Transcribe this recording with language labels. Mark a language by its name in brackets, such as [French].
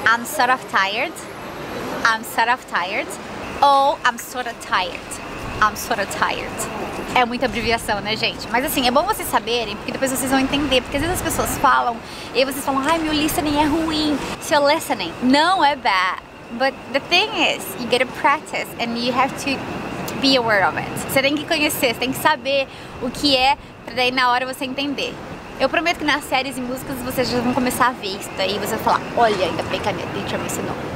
[English] I'm sort of tired. I'm sort of tired. Ou I'm sort of tired. I'm sort of tired. [Portuguese] É muita abreviação, né, gente? Mas assim, é bom vocês saberem, porque depois vocês vão entender. Porque às vezes as pessoas falam e vocês falam, ai, meu listening é ruim. Seu listening não é bad. [English] But the thing is, you get to practice and you have to be aware of it. [Portuguese] Você tem que conhecer, você tem que saber o que é, pra daí na hora você entender. Eu prometo que nas séries e músicas vocês já vão começar a ver isso daí. Você vai falar, olha, ainda bem que a minha teacher me ensinou.